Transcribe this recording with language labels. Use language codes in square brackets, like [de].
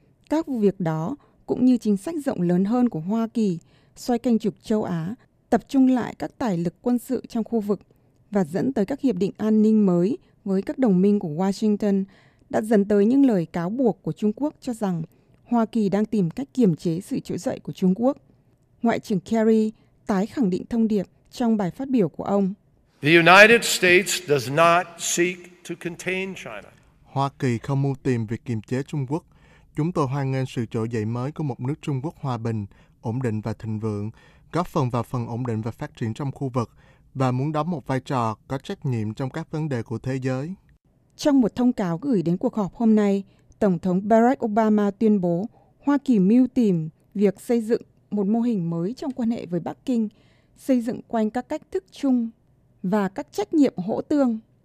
[vi] Các vụ việc đó cũng như chính sách rộng lớn hơn của Hoa Kỳ xoay quanh trục châu Á, tập trung lại các tài lực quân sự trong khu vực và dẫn tới các hiệp định an ninh mới với các đồng minh của Washington đã dẫn tới những lời cáo buộc của Trung Quốc cho rằng Hoa Kỳ đang tìm cách kiềm chế sự trỗi dậy của Trung Quốc. Ngoại trưởng Kerry tái khẳng định thông điệp trong bài phát biểu của ông. [en] The United States does not seek to contain China. [vi] Hoa Kỳ không mưu tìm việc kiềm chế Trung Quốc. Chúng tôi hoan nghênh sự trỗi dậy mới của một nước Trung Quốc hòa bình, ổn định và thịnh vượng, góp phần vào phần ổn định và phát triển trong khu vực, và muốn đóng một vai trò có trách nhiệm trong các vấn đề của thế giới. Trong một thông cáo gửi đến cuộc họp hôm nay, Tổng thống Barack Obama tuyên bố Hoa Kỳ mưu tìm việc xây dựng một mô hình mới trong quan hệ với Bắc Kinh, xây dựng quanh các cách thức chung và các trách nhiệm hỗ tương.